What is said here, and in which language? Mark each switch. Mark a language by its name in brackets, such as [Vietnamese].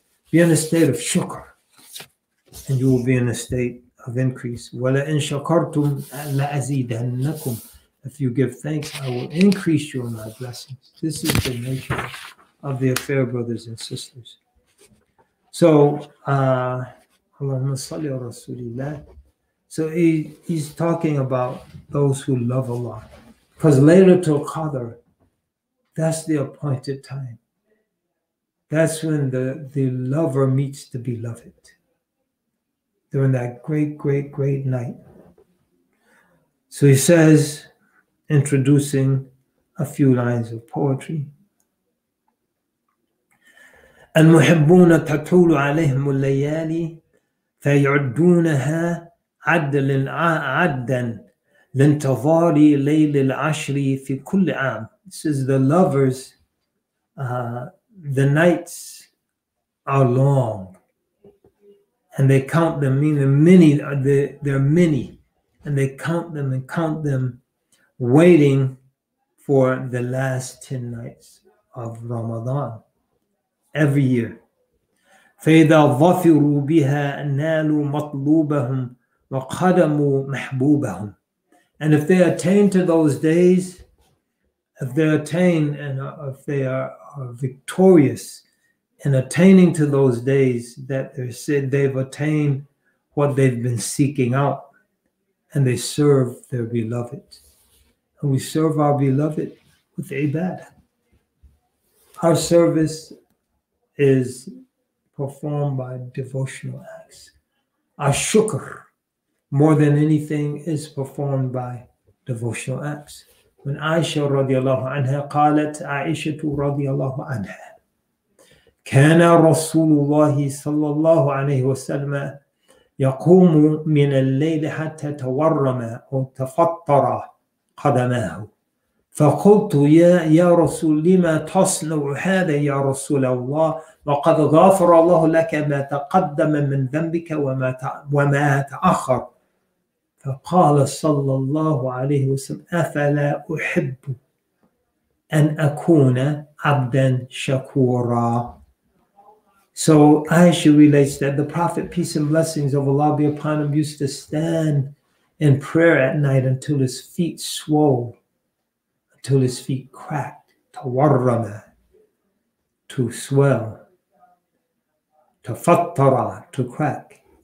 [English] Be in a state of shukr, and you will be in a state of increase. [Arabic] وَلَا إِن شَكَرْتُمْ لَأَزِيدَنَّكُمْ. [English] If you give thanks, I will increase you in my blessings. This is the nature of the affair, brothers and sisters. [Arabic] So, اللهم صلي رسول الله. [English] So he's talking about those who love Allah. Because later to Qadr, that's the appointed time. That's when the lover meets the beloved. During that great, great, great night. So he says, introducing a few lines of poetry. [Arabic] المحبون تطول عليهم الليالي فيعدونها عدا لانتظار ليل العشر في كل عام. [English] This is the lovers, the nights are long, and they count them, meaning many, they're many, and they count them and count them, waiting for the last 10 nights of Ramadan every year. [Arabic] فَإِذَا ظَفِرُوا بِهَا نَالُوا مَطْلُوبَهُمْ وَقَدَمُوا مَحْبُوبَهُمْ. [English] And if they attain to those days, if they attain and if they are victorious in attaining to those days, that they're said they've attained what they've been seeking out, and they serve their beloved. And we serve our beloved with ibadah. Our service is performed by devotional acts. Our shukr, more than anything, is performed by devotional acts. When Aisha radiallahu anha [Arabic] qalat, Aisha radiallahu anha, كان رسول الله صلى الله عليه وسلم يقوم من الليل حتى تورم أو تفطر قدماه فقلت يا رسول لما تصنع هذا يا رسول الله وقد غفر الله لك ما تقدم من ذنبك وما تأخر فقال صلى الله عليه وسلم أفلا أحب أن أكون عبدا شكورا. [English] So Aisha relates that the Prophet, peace and blessings of Allah be upon him, used to stand in prayer at night until his feet swole, until his feet cracked, tawarrama, to swell, tafattara, to crack.